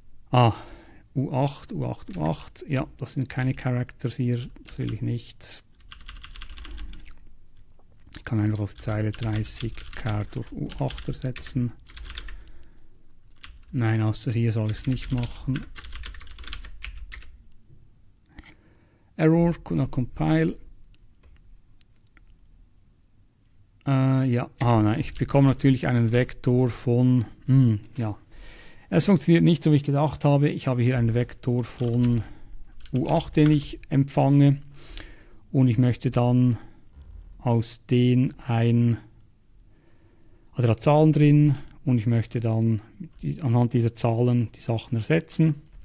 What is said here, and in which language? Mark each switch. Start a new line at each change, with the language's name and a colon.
German: Ah, U8, U8, U8. Ja, das sind keine Characters hier. Das will ich nicht. Ich kann einfach auf Zeile 30 Char durch U8 ersetzen. Nein, außer hier soll ich es nicht machen.
English: Error, could not compile.
German: Ja, ah nein, ich bekomme natürlich einen Vektor von, ja, es funktioniert nicht so, wie ich gedacht habe. Ich habe hier einen Vektor von U8, den ich empfange und ich möchte dann aus den ein, also da Zahlen drin und ich möchte dann anhand dieser Zahlen die Sachen ersetzen.